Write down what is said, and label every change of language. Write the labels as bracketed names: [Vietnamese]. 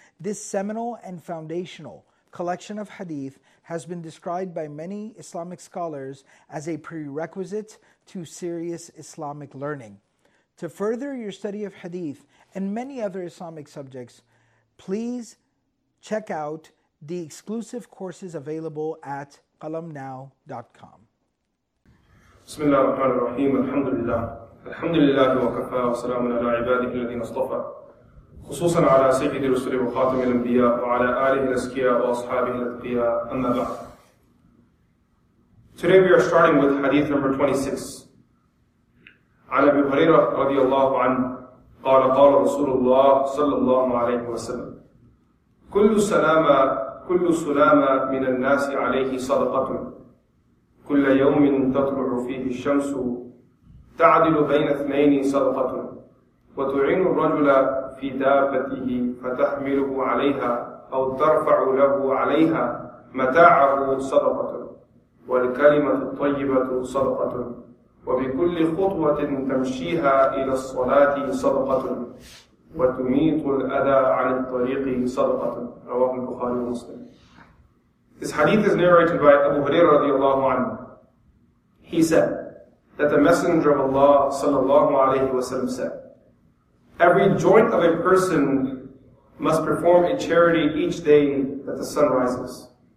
[English] This seminal and foundational collection of hadith has been described by many Islamic scholars as a prerequisite to serious Islamic learning. To further your study of hadith and many other Islamic subjects, please check out the exclusive courses available at qalamnow.com. [Arabic] بسم الله الرحمن الرحيم الحمد لله الحمد لله وكفى وسلام على عباده الذين اصطفى خصوصا على سيد الرسل وخاتم الانبياء وعلى اله الازكياء واصحابه الاتقياء اما بعد. [English] Today we are starting with hadith number 26. [Arabic] عن ابي هريره رضي الله عنه قال قال رسول الله صلى الله عليه وسلم كل سلامة من الناس عليه صدقه كل يوم تطلع فيه الشمس تعدل بين اثنين صدقة وتعين الرجل في دابته فتحمله عليها أو ترفع له عليها متاعه صدقة والكلمة الطيبة صدقة وبكل خطوة تمشيها إلى الصلاة صدقة وتميت الأذى عن الطريق صدقة رواه البخاري ومسلم. [English] This hadith is narrated by Abu Huraira [Arabic] رضي الله عنه. [English] He said that the Messenger of Allah sallallahu alayhi wa sallam said, every joint of a person must perform a charity each day that the sun rises.